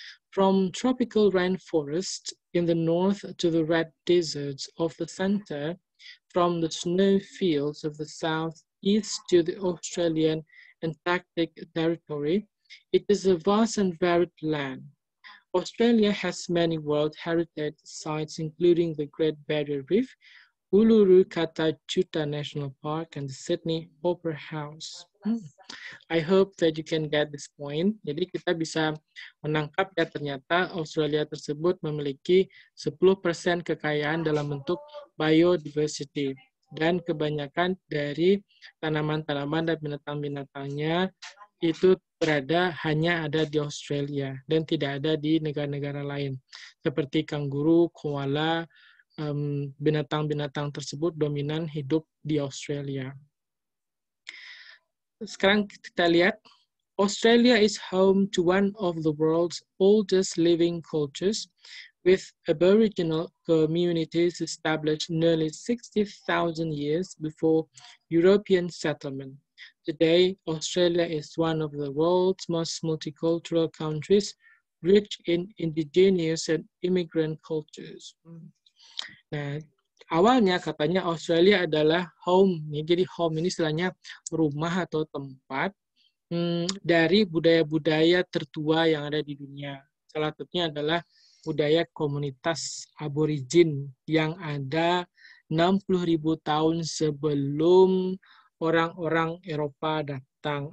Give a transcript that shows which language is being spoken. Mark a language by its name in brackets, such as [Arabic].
[English] From tropical rainforest in the north to the red deserts of the center, from the snow fields of the southeast to the Australian Antarctic Territory, it is a vast and varied land. Australia has many World Heritage sites, including the Great Barrier Reef, Uluru Kartajuta National Park, and the Sydney Opera House. I hope that you can get this point. [Indonesian] Jadi kita bisa menangkap ya, ternyata Australia tersebut memiliki 10% kekayaan dalam bentuk biodiversity, dan kebanyakan dari tanaman-tanaman dan binatang-binatangnya itu berada hanya ada di Australia dan tidak ada di negara-negara lain. Seperti kanguru, koala, binatang-binatang tersebut dominan hidup di Australia. Sekarang kita lihat, [English] Australia is home to one of the world's oldest living cultures, with Aboriginal communities established nearly 60,000 years before European settlement. Today, Australia is one of the world's most multicultural countries, rich in indigenous and immigrant cultures. [Indonesian] Nah, awalnya katanya Australia adalah home, ya, jadi home ini istilahnya rumah atau tempat dari budaya-budaya tertua yang ada di dunia. Salah satunya adalah budaya komunitas aborigin yang ada 60.000 tahun sebelum orang-orang Eropa datang.